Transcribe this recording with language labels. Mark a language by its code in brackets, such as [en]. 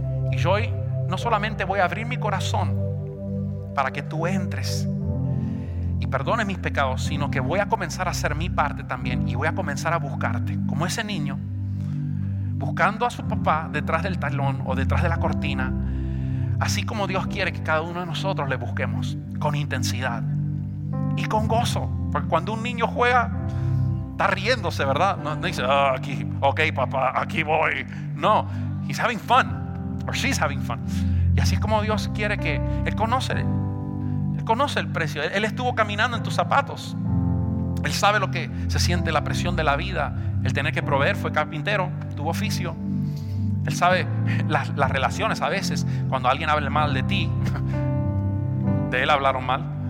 [es] Y yo hoy no solamente voy a abrir mi corazón para que tú entres y perdones mis pecados, sino que voy a comenzar a hacer mi parte también, y voy a comenzar a buscarte como ese niño buscando a su papá detrás del talón o detrás de la cortina, así como Dios quiere que cada uno de nosotros le busquemos con intensidad y con gozo. Porque cuando un niño juega, está riéndose, ¿verdad? No dice: oh, aquí, ok papá, aquí voy. [en] No, he's having fun, or she's having fun. [es] Y así es como Dios quiere que Él conoce. Él conoce el precio. Él estuvo caminando en tus zapatos. Él sabe lo que se siente, la presión de la vida, el tener que proveer. Fue carpintero, tuvo oficio. Él sabe las relaciones a veces. Cuando alguien habla mal de ti, de él hablaron mal.